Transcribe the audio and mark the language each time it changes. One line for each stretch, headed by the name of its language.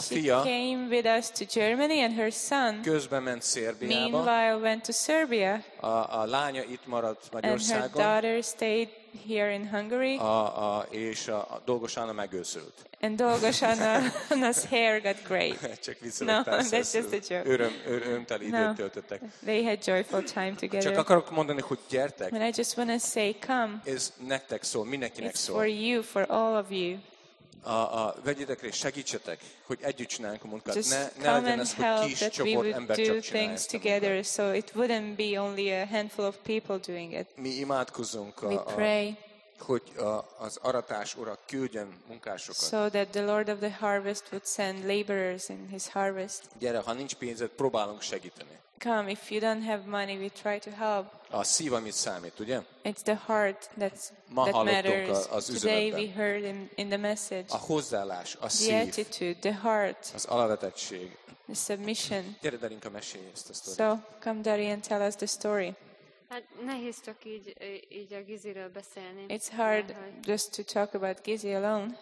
English: she
Hungarian: fia
English: came with us to Germany, and her son
Hungarian: közben ment Szerbiába.
English: Meanwhile went to Serbia.
Hungarian: A lánya itt maradt Magyarországon.
English: And her daughter stayed here in Hungary.
Hungarian: És a Dolgos Anna megőszült.
English: And Dolgos Anna's hair got gray.
Hungarian: Csak viccelettem. Örömteli időt töltöttek.
English: They had joyful time together.
Hungarian: Csak akarok mondani, hogy gyertek.
English: And I just want to say, come.
Hungarian: Ez nektek szól, mindenkinek
English: It's
Hungarian: szól.
English: It's for you, for all of you.
Hungarian: Vegyétek részt, segítsetek, hogy együtt csináljunk a munkát. Ne legyen ez, hogy kis csoport, ember csak csinálja
English: together, so it wouldn't be only a handful of people doing it.
Hungarian: Mi imádkozunk, hogy az aratás ura küldjen munkásokat.
English: So that the Lord of the harvest would send laborers in his harvest.
Hungarian: Gyere, ha nincs pénzed, próbálunk segíteni.
English: Come, if you don't have money, we try to help.
Hungarian: A szív, amit számít, ugye?
English: It's the heart that's,
Hungarian: ma
English: that matters.
Hungarian: Ma hallottunk az üzenetben.
English: Today we heard in the message.
Hungarian: A hozzáállás, a
English: the
Hungarian: szív.
English: The attitude, the heart.
Hungarian: Az alávetettség.
English: The submission.
Hungarian: Gyere, Darinka, mesélj ezt a sztorit.
English: So, come, Dari, and tell us the story.
Hungarian: Hát nehéz csak így a Giziről beszélni.
English: It's hard just to talk about Gizi alone.